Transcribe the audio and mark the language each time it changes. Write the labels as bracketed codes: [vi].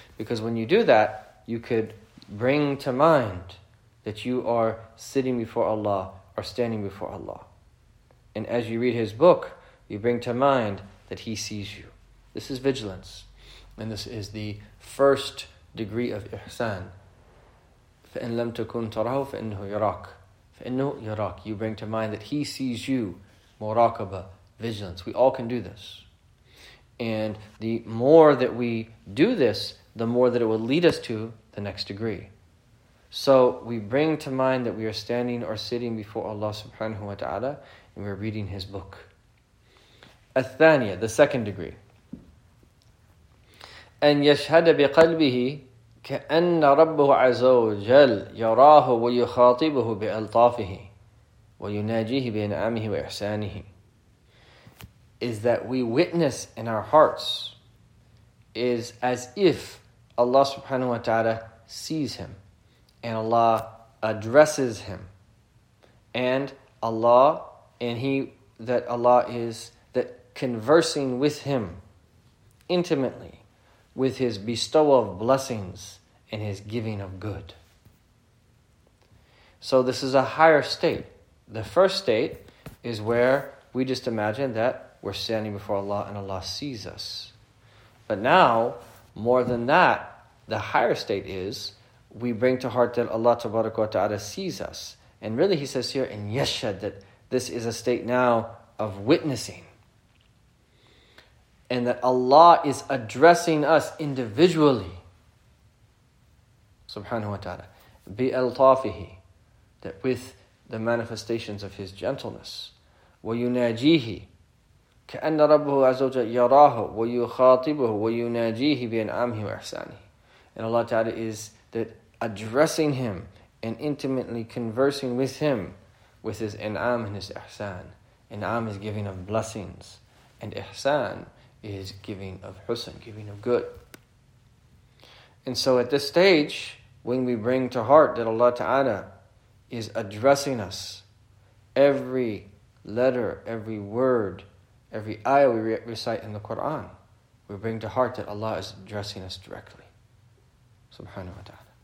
[en] Because when you do that, you could bring to mind that you are sitting before Allah or standing before Allah. And as you read his book, you bring to mind that he sees you. This is vigilance. And this is the first degree of ihsan. [ar] فَإِنْ لَمْ تَكُنْ تَرَهُ فَإِنْهُ يَرَاكُ فَإِنْهُ يَرَاكُ [en] You bring to mind that he sees you. [ar] مُرَاكَبَ [en] vigilance. We all can do this. And the more that we do this, the more that it will lead us to the next degree. So we bring to mind that we are standing or sitting before Allah subhanahu wa ta'ala and we're reading His book. [ar] الثانية, [en] the second degree. [ar] أن يشهد بقلبه كأن ربه عز وجل يراه ويخاطبه بألطافه ويناجيه بإنعامه وإحسانه. [en] Is that we witness in our hearts is as if Allah subhanahu wa ta'ala sees him and Allah addresses him and Allah and he that Allah is that conversing with him intimately with his bestowal of blessings and his giving of good. So this is a higher state. The first state is where we just imagine that we're standing before Allah and Allah sees us. But now, more than that, the higher state is, we bring to heart that Allah tabaraka wa ta'ala sees us. And really he says here in Yashad that this is a state now of witnessing. And that Allah is addressing us individually. Subhanahu wa ta'ala. [ar] Bi al-tafihi. [en] That with the manifestations of his gentleness. [ar] Wa yunajihi. كأن ربه عز وجل يراه ويخاطبه ويناجيه بإنعامه وإحسانه. [en] And Allah Ta'ala is that addressing him and intimately conversing with him with his in'am and his ihsan. In'am is giving of blessings and ihsan is giving of husn, giving of good. And so at this stage, when we bring to heart that Allah Ta'ala is addressing us, every letter, every word, every ayah we recite in the Quran, we bring to heart that Allah is addressing us directly. Subhanahu wa ta'ala.